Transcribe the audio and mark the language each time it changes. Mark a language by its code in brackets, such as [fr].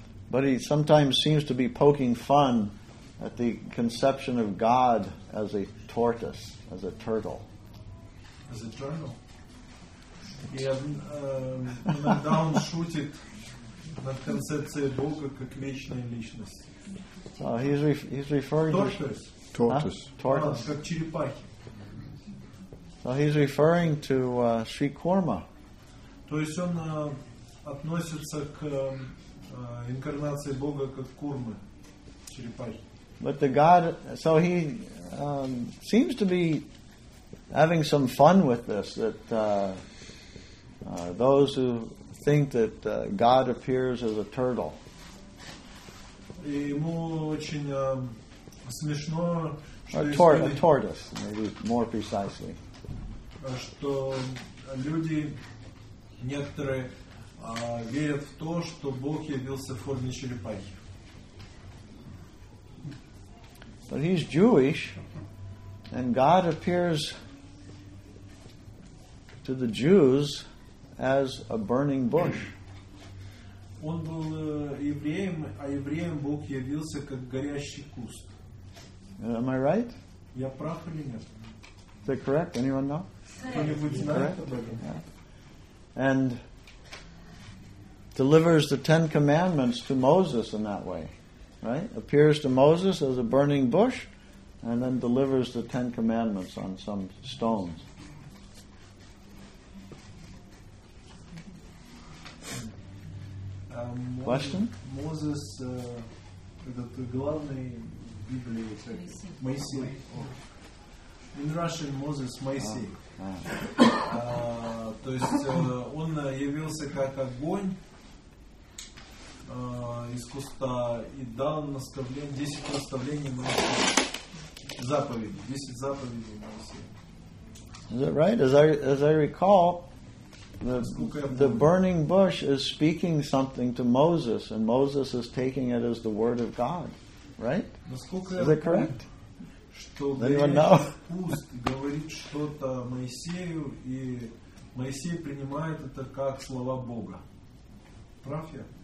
[en] But he sometimes seems to be poking fun at the conception of God as a tortoise, as a turtle. As a turtle. [ru] И иногда он шутит над концепцией Бога как вечной личности. [en] So he's referring tortoise. [ru] Как черепахи. [en] So he's referring to Sri Korma. [ru] То есть он относится к инкарнации Бога как Курмы, черепахи. [en] But the God, so he seems to be having some fun with this, that those who think that God appears as a turtle. [ru] И ему очень смешно, что [en] a tortoise, maybe more precisely. [ru] Что люди некоторые верят в то, что Бог явился в форме черепахи. [en] But he's Jewish, and God appears to the Jews as a burning bush. [ru] Он был евреем, а евреям Бог явился как горящий куст. [en] Am I right? [ru] Я прав или нет? [en] Is that correct? Anyone know? [ru] Кто-нибудь знает об этом? [en] And delivers the Ten Commandments to Moses in that way. Right? Appears to Moses as a burning bush, and then delivers the Ten Commandments on some stones. Question? Moses, the [ru] главный в Библии, Моисей. [en] In Russian, Moses, Моисей. [ru] То есть он явился как огонь из куста и дал наставление, 10 наставлений Моисея, заповеди, 10 заповедей Моисея. [en] Is that right? As I recall, the burning bush is speaking something to Moses, and Moses is taking it as the word of God, right? Is that correct? [ru] Что горящий куст говорит что-то Моисею, и Моисей принимает это как слова Бога. Прав я?